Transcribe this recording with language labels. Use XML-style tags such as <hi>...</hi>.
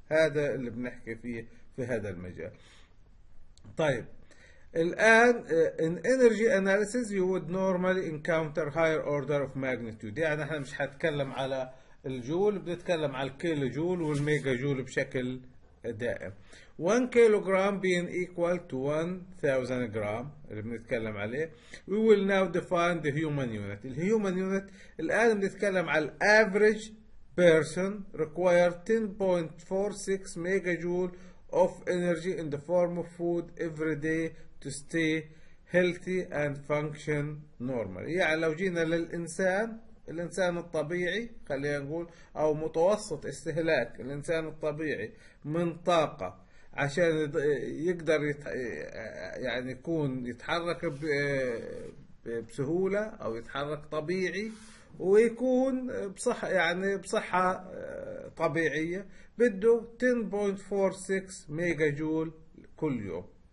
<ar>هذا اللي بنحكي فيه في هذا المجال. طيب الآن</ar> <en>in energy analysis you would normally encounter higher order of magnitude،</en> <ar>يعني احنا مش هتكلم على الجول، بنتكلم على الكيلو جول والميجا جول بشكل دائم. 1 كيلوغرام</ar> <en>being equal to</en> <ar>1000 جرام اللي بنتكلم عليه.</ar> <en>We will now define the human unit.</en> <ar>الهيومن يونت الآن بنتكلم على</ar> <en>average person require 10.46 mega joule of energy in the form of food every day to stay healthy and function normally.</en> <ar>يعني لو جينا للإنسان، الإنسان الطبيعي خلينا نقول أو متوسط استهلاك الإنسان الطبيعي من طاقة عشان يقدر يعني يكون يتحرك بسهولة أو يتحرك طبيعي ويكون بصحة، يعني بصحة طبيعية، بده 10.46 ميجا جول كل يوم.</ar>